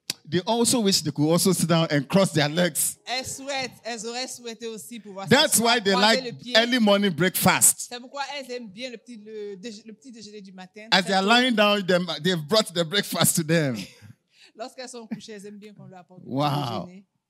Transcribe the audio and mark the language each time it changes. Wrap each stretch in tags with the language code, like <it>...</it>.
<en>They also wish they could also sit down and cross their legs.</en> <fr>Elles auraient souhaité aussi pouvoir.</fr> <en>That's why they like early morning breakfast.</en> <fr>C'est pourquoi elles aiment bien le petit déjeuner du matin.</fr> <en>As they are lying down, they've brought the breakfast to them.</en> <fr>Lorsqu'elles sont couchées, elles aiment bien qu'on leur apporte le déjeuner.</fr>